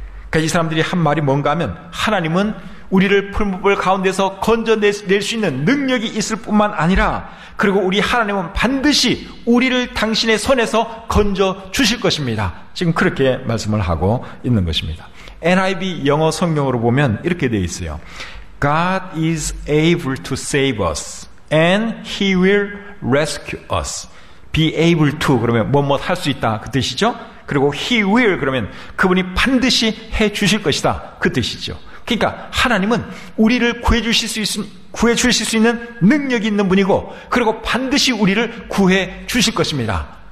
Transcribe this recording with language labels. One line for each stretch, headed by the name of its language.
Korean: 그러니까 이 사람들이 한 말이 뭔가 하면 하나님은 우리를 풀무불 가운데서 건져낼 수 있는 능력이 있을 뿐만 아니라 그리고 우리 하나님은 반드시 우리를 당신의 손에서 건져주실 것입니다. 지금 그렇게 말씀을 하고 있는 것입니다. NIV 영어 성경으로 보면 이렇게 되어 있어요.
English: God is able to save us and he will rescue us.
Korean: Be able to 그러면 뭐뭐 할 수 있다 그 뜻이죠. 그리고 he will 그러면 그분이 반드시 해 주실 것이다 그 뜻이죠. 그러니까 하나님은 우리를 구해 주실 수 있는 능력이 있는 분이고 그리고 반드시 우리를 구해 주실 것입니다.